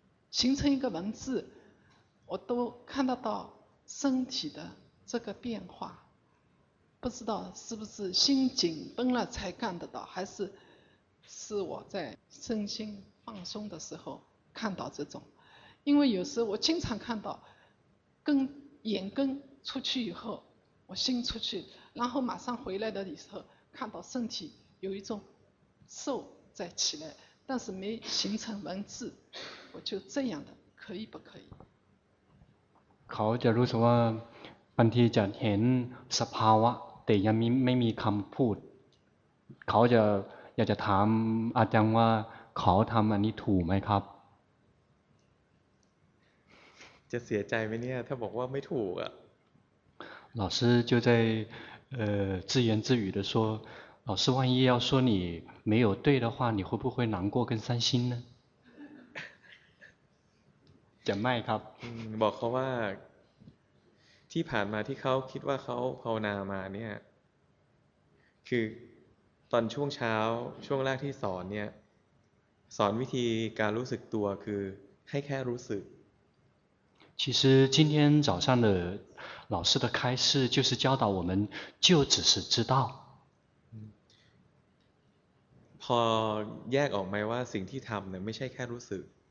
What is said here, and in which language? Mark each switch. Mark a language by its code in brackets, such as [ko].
[zh] 形成一个文字我都看得到身体的这个变化不知道是不是心紧绷了才看得到还是是我在身心放松的时候看到这种因为有时我经常看到跟眼根出去以后我心出去然后马上回来的时候看到身体有一种瘦在起来但是没形成文字我就这样的可以不可以 [th] เขาจะรู้สึกว่าบางทีจะเห็นสภาวะแต่ยังไม่มีคำพูดเขาจะอยากจะถามอาจารย์ว่าเขาทำอันนี้ถูกไหมครับ จะเสียใจไหมเนี่ยถ้าบอกว่าไม่ถูกอ่ะ [zh] 老师就在自言自语的说老师万一要说你没有对的话你会不会难过跟伤心呢 [th] จะไม่ครับ บอกเขาว่าที่ผ่านมาที่เขาคิดว่าเขาภาวนามาเนี่ยคือตอนช่วงเช้าช่วงแรกที่สอนเนี่ยสอนวิธีการรู้สึกตัวคือให้แค่รู้สึก [zh] 其实今天早上的老师的开示就是教导我们就只是知道 [th] พอแยกออกไหมว่าสิ่งที่ทำเนี่ยไม่ใช่แค่รู้สึก